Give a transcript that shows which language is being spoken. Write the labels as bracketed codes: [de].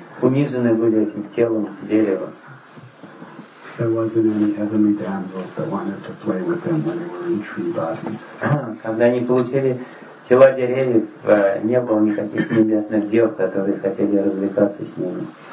[ru] Унижены были этим телом дерева. [en] There wasn't any heavenly damsels that wanted to play with them when they were in tree bodies. [ru] Когда они получили тела деревьев, не было никаких небесных дев, которые хотели развлекаться с ними.